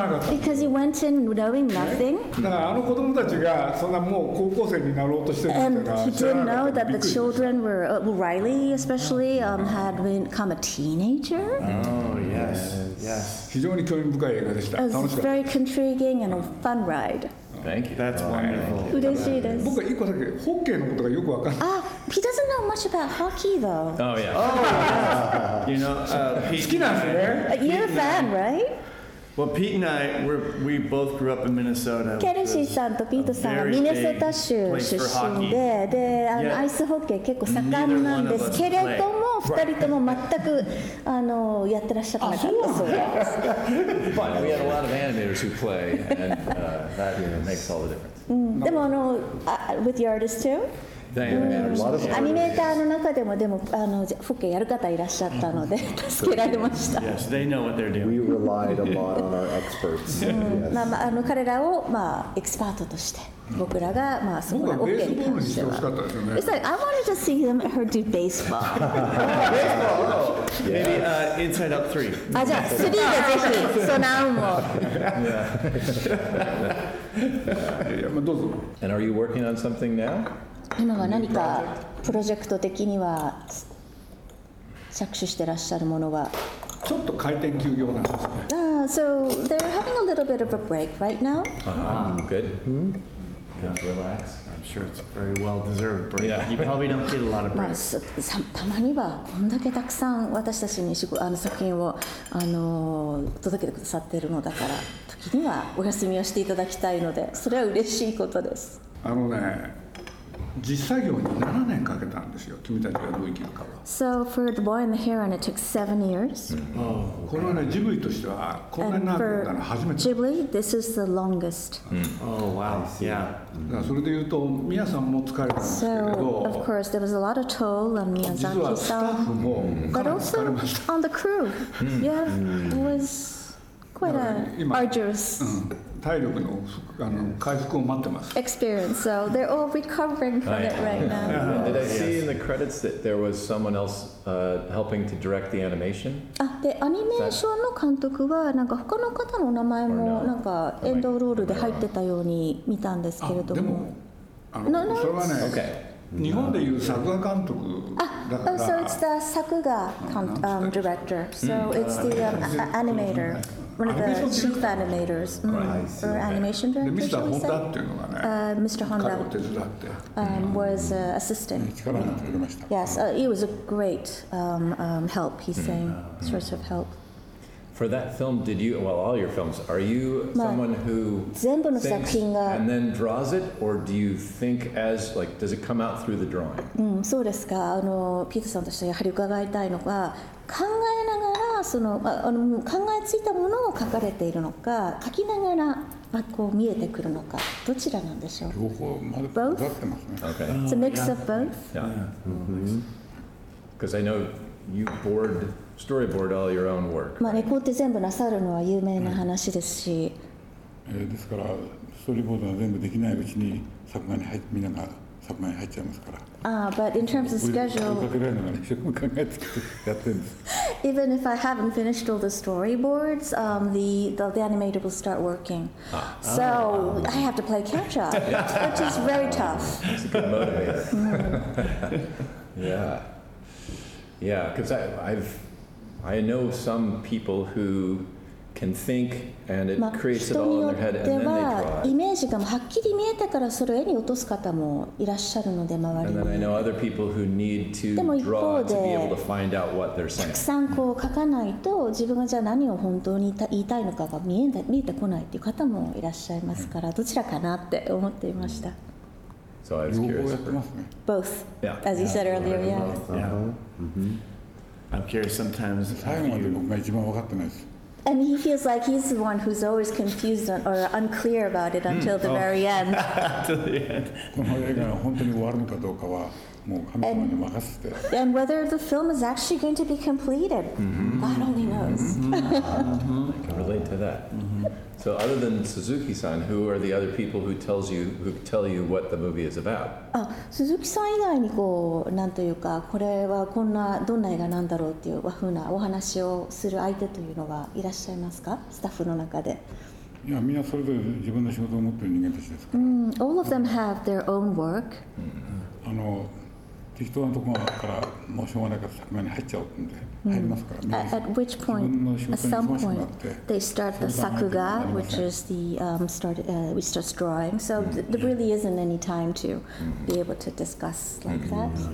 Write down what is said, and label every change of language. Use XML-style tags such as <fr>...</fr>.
<en>Because he went in knowing nothing. And he didn't know that the children were Riley, especially had become a teenager. Oh yes. It was very intriguing and a fun ride. Thank you. That's wonderful.</en> <ja>嬉しいです。僕は一個だけホッケーのことがよくわかんない。</ja> <en>He doesn't know much about hockey, though. Oh, yeah. You know, Pete and I... You're a fan, right? Well, Pete and I, we both grew up in Minnesota.</en> <ja>Kelsey さんと Pete さんはミネソタ州出身で、で、アイスホッケー結構盛んなんですけれども、二人とも全くやってらっしゃらなかったそうです。</ja> <en>But we had a lot of animators who play, and that makes all the difference.</en> <ja>でも、</ja> <en>with the artists too?</en> <ja>アニメーターの中でもでもホッケーやる方いらっしゃったので助けられました。</ja> <en>Yes, they know what they're doing. We relied a lot on our experts.</en> <ja>まあ彼らをまあエキスパートとして僕らがまあそこでホッケーに関しては。</ja> <en>It's like I wanted to see him her do baseball. Baseball. Maybe inside up three.</en> <ja>あじゃあ三がぜひそのアウも。どうぞ。</ja> <en>And are you working on something now?</en> <ja>今は何かプロジェクト的には着手してらっしゃるものはちょっと開店休業なんですね。</ja> <en>So they're having a little bit of a break right now. Good. Yeah, relax. I'm sure it's a very well deserved break. Yeah. You probably don't get a lot of breaks.</en> <ja>たまにはこんだけたくさん私たちに作品を届けてくださっているのだから、時にはお休みをしていただきたいので、それは嬉しいことです。あのね。実作業に7年かけたんですよ。君たちがどう生きるかは。</ja> <en>So for the boy and the heron, it took 7 years.、</en> <ja>これはね、ジブリとしてはこんなに長かったのは初めて。</ja> <en>Ghibli, this is the longest.、 Oh wow, yeah.</en> <ja>それで言うと、宮さんも疲れたんですけれど。</ja> <en>So of course, there was a lot of toll on Miyazaki.</en> <ja>実はスタッフもかなり疲れました。</ja> <en>But also on the crew, yeah, it was quite arduous.</en> <ja>体力の回復を待ってます。</ja> <en>Experience, so they're all recovering from it right now. Did I see in the credits that there was someone else helping to direct the animation?</en> <ja>で、アニメーションの監督はなんか他の方の名前もなんかエンドロールで入ってたように見たんですけれども。でも、それはね、日本でいう作画監督だから。</ja> <en>So it's the 作画 director. So it's the animator. One of the chief animators or animation director, should we say? Mr. Honda was an assistant. Yes, he was a great help, he's saying, source of help. For that film, did you, well, all your films, are you someone who thinks and then draws it, or do you think as, like, does it come out through the drawing?</en> <ja>そうですか。ピートさんとしてはやはり伺いたいのが、考えながらその、考えついたものを描かれているのか、描きながら、こう見えてくるのか、どちらなんでしょう？両方、まだ混ざってますね。</ja> <en>Okay. It's a mix of both. Yeah. Because I know you board... Storyboard all your own work.</en> <ja>まあ、レコーって全部なさるのは有名な話ですし、うん、ですからストーリーボードが全部できないうちに作画に入ってみんなが作画に入っちゃいますから。</ja> <en>Ah, but in terms of schedule,</en> <ja>追いかけられながら一生懸命考えてやってるんです。</ja> <en>Even if I haven't finished all the storyboards, the animator will start working. So I have to play catch up, which is very tough. That's a good motivator. Yeah, yeah, because I know some people who can think and it creates it all in their head and then they draw it.</en> <ja>イメージがはっきり見えたからそれを絵に落とす方もいらっしゃるので周りに。</ja> <en>And then I know other people who need to draw to be able to find out what they're saying.</en> <ja>たくさんこう描かないと自分がじゃあ何を本当に言いたいのかが見えてこないっていう方もいらっしゃいますから、どちらかなって思っていました。</ja> <en>So I was curious. Both, yeah. As you said earlier, yeah. Yeah. Mm-hmm. I'm curious sometimes.</en> <ja>最後まで僕が一番分かってないです。</ja> <en>And he feels like he's the one who's always confused or unclear about it until the very end.</en> <ja>この映画が本当に終わるのかどうかはもう神様に任せて。</ja> <en>And whether the film is actually going to be completed, God only knows. I can relate to that. So other than Suzuki-san, who are the other people who tells you who tell you what the movie is about?</en> <ja>Ah, Suzuki-san 以外にこうなんというかこれはこんなどんな映画なんだろうっていう和風なお話をする相手というのはいらっしゃいますか？スタッフの中で。いや、みんなそれぞれ自分の仕事を持っている人間たちですから。</ja> <en>All of them have their own work.</en> <ja>あの適当なところからもうしょうがないから作画に入っちゃうんで。</ja> <en>At which point, at some point, they start the sakuga, which is the which starts drawing. So there really isn't any time to be able to discuss like that.</en>